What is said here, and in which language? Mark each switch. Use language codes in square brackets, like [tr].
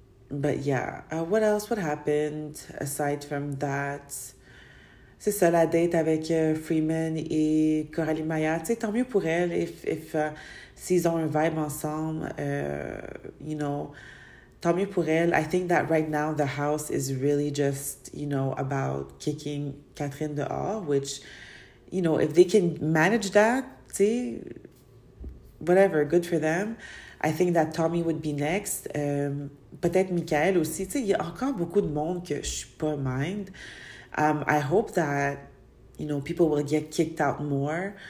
[en] But yeah, what else, what happened aside from that? [fr] C'est ça, la date avec Freeman et Coralie Maya. Tu sais, tant mieux pour elle if s'ils ont un vibe ensemble, you know, tant mieux pour elle. [en] I think that right now the house is really just, you know, about kicking Catherine dehors, which, you know, if they can manage that, tu sais, whatever, good for them. I think that Tommy would be next. [fr] Peut-être Michael aussi. Tu sais, il y a encore beaucoup de monde que je suis pas mind. [en] I hope that, you know, people will get kicked out more.